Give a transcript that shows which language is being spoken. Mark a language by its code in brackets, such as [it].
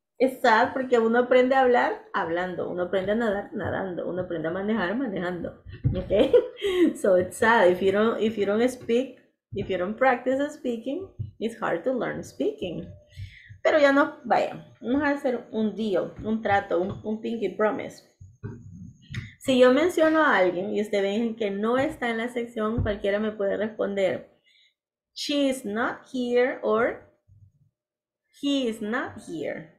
[es] Es sad porque uno aprende a hablar hablando, uno aprende a nadar nadando, uno aprende a manejar manejando. [en] Okay? So it's sad. If you don't practice speaking, it's hard to learn speaking. [es] Pero ya no, vaya, vamos a hacer un deal, un trato, un [en] pinky promise. [es] Si yo menciono a alguien y usted ve que no está en la sección, cualquiera me puede responder. [en] She is not here or he is not here.